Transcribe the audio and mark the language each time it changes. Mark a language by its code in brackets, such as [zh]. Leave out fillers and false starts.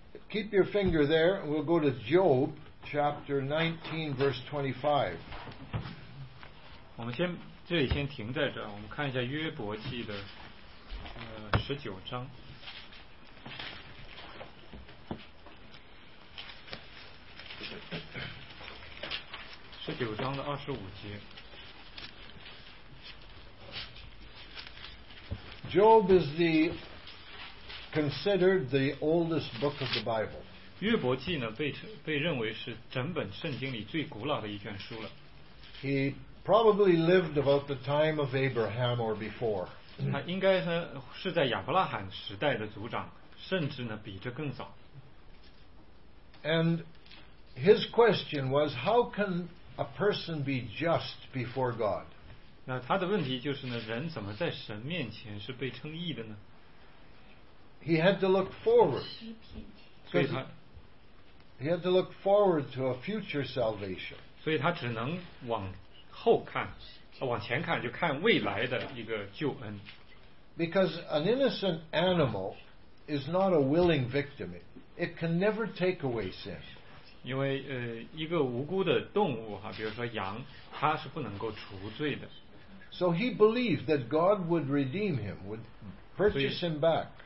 [en] Keep your finger there, and we'll go to Job. Chapter 19, verse 25. [zh] 我们先这里先停在这儿，我们看一下约伯记的十九章。十九章的二十五节。 [en] Job is the considered the oldest book of the Bible. [zh] 约伯记呢被认为是整本圣经里最古老的一卷书了。 [en] He probably lived about the time of Abraham or before. [zh] 他应该呢是在亚伯拉罕时代的族长，甚至呢比这更早。 [en] And his question was, how can a person be just before God? [zh] 那他的问题就是呢，人怎么在神面前是被称义的呢？ [en] He had to look forward. [zh] 所以他。 [en] He had to look forward to a future salvation. [zh] 所以他只能往后看，往前看，就看未来的一个救恩。 [en] Because an innocent animal is not a willing victim. It can never take away sin. [zh] 因为一个无辜的动物哈，比如说羊，它是不能够除罪的。 [en] So he believed that God would redeem him, would purchase him back.